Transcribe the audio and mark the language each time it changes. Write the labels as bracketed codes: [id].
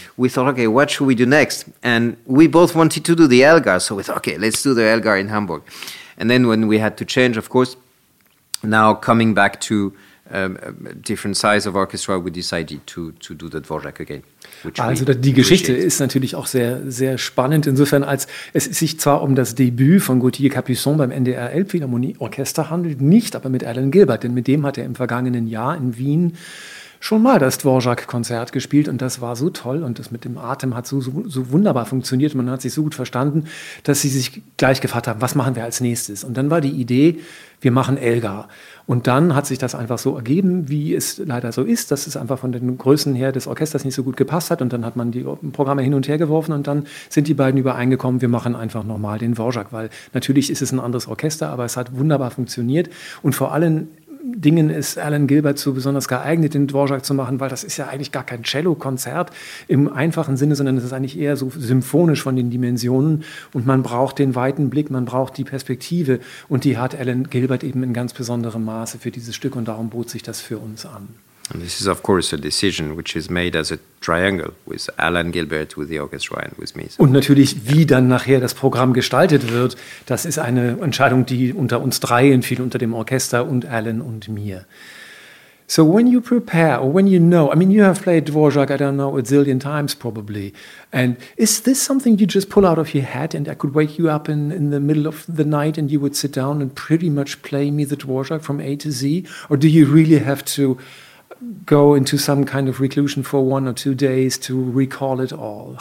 [en] We thought, okay, what should we do next? And we both wanted to do the Elgar, so we thought, okay, let's do the Elgar in Hamburg. And then when we had to change, of course, now coming back to different size of orchestra, we decided to do the Dvorak again. [de] Also die Geschichte ist natürlich auch sehr, sehr spannend, insofern als es sich zwar um das Debüt von Gauthier Capuçon beim NDR Elbphilharmonie Orchester handelt, nicht aber mit Alan Gilbert, denn mit dem hat er im vergangenen Jahr in Wien schon mal das Dvorak-Konzert gespielt und das war so toll und das mit dem Atem hat so wunderbar funktioniert, man hat sich so gut verstanden, dass sie sich gleich gefragt haben, was machen wir als nächstes? Und dann war die Idee, wir machen Elgar. Und dann hat sich das einfach so ergeben, wie es leider so ist, dass es einfach von den Größen her des Orchesters nicht so gut gepasst hat und dann hat man die Programme hin und her geworfen und dann sind die beiden übereingekommen, wir machen einfach nochmal den Dvorak, weil natürlich ist es ein anderes Orchester, aber es hat wunderbar funktioniert und vor allem Dingen ist Alan Gilbert so besonders geeignet, den Dvorak zu machen, weil das ist ja eigentlich gar kein Cello-Konzert im einfachen Sinne, sondern es ist eigentlich eher so symphonisch von den Dimensionen und man braucht den weiten Blick, man braucht die Perspektive und die hat Alan Gilbert eben in ganz besonderem Maße für dieses Stück und darum bot sich das für uns an. [en] And this is of course a decision which is made as a triangle with Alan Gilbert, with the orchestra and with me. [de] Und natürlich, wie dann nachher das Programm gestaltet wird, das ist eine Entscheidung, die unter uns dreien fiel, unter dem Orchester und Alan und mir. [en] So when you prepare, or when you know, I mean, you have played Dvorak, I don't know, a zillion times probably. And is this something you just pull out of your head and I could wake you up in the middle of the night and you would sit down and pretty much play me the Dvorak from A to Z? Or do you really have to go into some kind of reclusion for 1 or 2 days to recall it all?